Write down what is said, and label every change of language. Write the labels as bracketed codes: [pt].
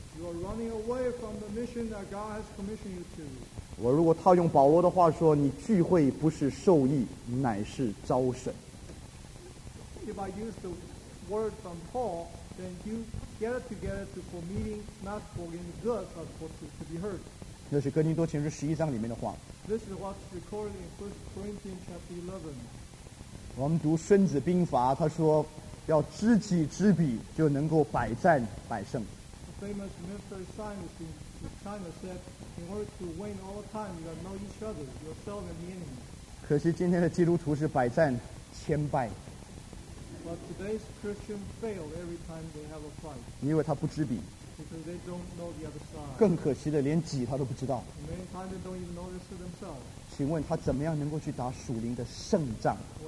[en] You are running away from the mission that God has commissioned you to. [zh] 我如果套用保罗的话说，你聚会不是受益，乃是遭损。 [en] If I use the word from Paul, then you gather together for meeting, not for getting good, but for to be heard. [zh] 那是哥林多前书十一章里面的话。 [en] This is what's recorded in 1 Corinthians chapter 11. [zh] 我们读孙子兵法，他说要知己知彼，就能够百战百胜。 [en] A famous military scientist in China said, "In order to win all the time, you gotta know each other, yourself and the enemy." [zh] 可惜今天的基督徒是百战千败。 [en] But today's Christian fail every time they have a fight. [zh] 因为他不知彼。 [en] Because they don't know the other side. [zh] 更可惜的，连己他都不知道。 [en] Many times they don't even know this to themselves. [zh] 请问他怎么样能够去打属灵的胜仗？